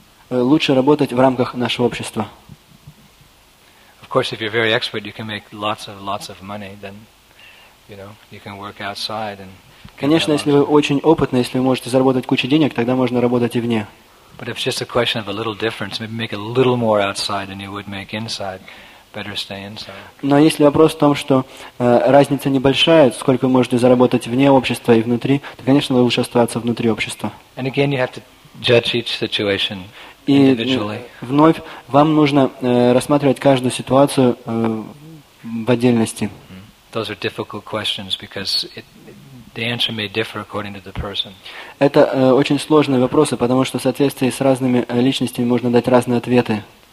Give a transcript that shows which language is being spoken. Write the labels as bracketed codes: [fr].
[ru] Лучше работать в рамках нашего общества. [en] Of course, if you're very expert, you can make lots of money. Then, you know, you can work outside and. [ru] Конечно, если вы очень опытны, если вы можете заработать кучу денег, тогда можно работать и вне. [en] But if it's just a question of a little difference, maybe make a little more outside than you would make inside. Better stay inside. [ru] Но если вопрос в том, что разница небольшая, сколько вы можете заработать вне общества и внутри, то, конечно, вы лучше оставаться внутри общества. [en] And again, you have to judge each situation. [ru] И вновь вам нужно рассматривать каждую ситуацию в отдельности. [en] Those are difficult questions because the answer may differ according to the person. [ru] Это очень сложные вопросы, потому что в соответствии с разными личностями можно дать разные ответы.